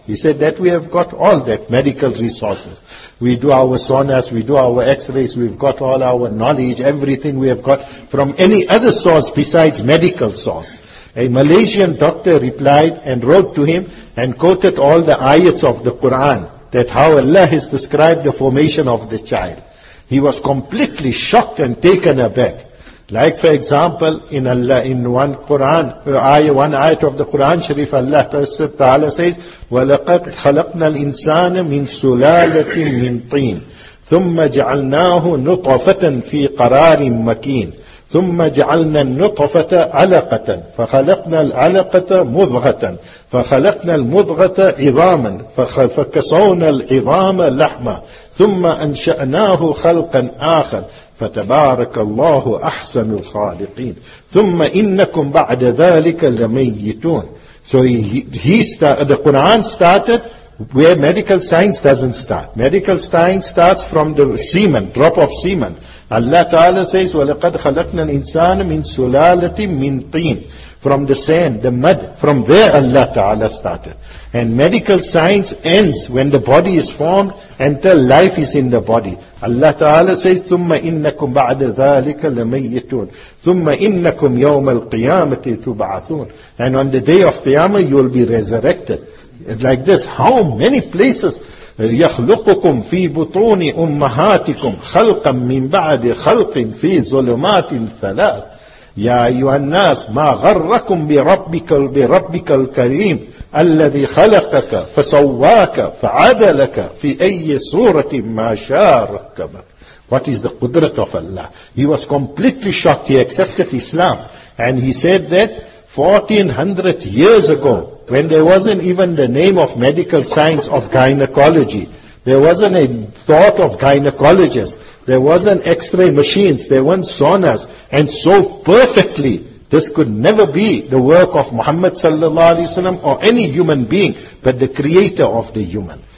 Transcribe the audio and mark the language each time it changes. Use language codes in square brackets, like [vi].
[en] He said that we have got all that medical resources. We do our saunas, we do our x-rays, we've got all our knowledge, everything we have got from any other source besides medical source. A Malaysian doctor replied and wrote to him and quoted all the ayats of the Quran, that how Allah has described the formation of the child. He was completely shocked and taken aback. Like for example, in Allah, in one Quran, one ayat of the Quran Sharif, Allah [ar] Ta'ala says, وَلَقَدْ خَلَقْنَا الْإِنسَانَ مِنْ سُلَالَةٍ مِنْ طِينٍ ثُمَّ جَعَلْنَاهُ نُطْفَةً فِي قَرَارٍ مَكِينٍ ثُمَّ جَعَلْنَا النُّطْفَةَ عَلَقَةً فَخَلَقْنَا الْعَلَقَةَ مُضْغَةً فَخَلَقْنَا الْمُضْغَةَ عِظَامًا فَكَسَوْنَا الْعِظَامَ لَحْمًا ثُمَّ أَنْشَأْنَاهُ خَلْقًا آخَرَ فَتَبَارَكَ اللَّهُ أَحْسَنُ الْخَالِقِينَ ثُمَّ إِنَّكُمْ بَعْدَ ذَلِكَ لَمَيِّتُونَ. [en] So the Quran started where medical science doesn't start. Medical science starts from the semen, drop of semen. Allah Ta'ala says, [ar] وَلَقَدْ خَلَقْنَا الْإِنسَانَ مِنْ سُلَالَةٍ مِنْ طِينٍ. [en] From the sand, the mud, from there Allah Ta'ala started. And medical science ends when the body is formed until life is in the body. Allah Ta'ala says, [ar] ثُمَّ إِنَّكُمْ بَعْدَ ذَٰلِكَ لَمَيِّتُونَ ثُمَّ إِنَّكُمْ يَوْمَ الْقِيَامَةِ تُبْعَثُونَ. [en] And on the day of Qiyamah, you will be resurrected. Like this, how many places [ar] يَخْلُقُكُمْ فِي بُطُونِ أُمَّهَاتِكُمْ خَلْقًا مِّن بَعْدِ خَلْقٍ فِي ظُلُمَاتٍ ثَلَاثٍ يَا أَيُّهَا النَّاسِ مَا غَرَّكُمْ بِرَبِّكَ الْكَرِيمِ الَّذِي خَلَقَكَ فَسَوَّاكَ فَعَدَلَكَ فِي أَيِّ صُورَةٍ مَا شَارَكَ. [en] What is the qudrat of Allah? He was completely shocked. He accepted Islam. And he said that 1400 years ago, when there wasn't even the name of medical science of gynecology, there wasn't a thought of gynecologists, there wasn't x-ray machines, there weren't saunas, and so perfectly, this could never be the work of Muhammad sallallahu alaihi wasallam or any human being, but the creator of the human.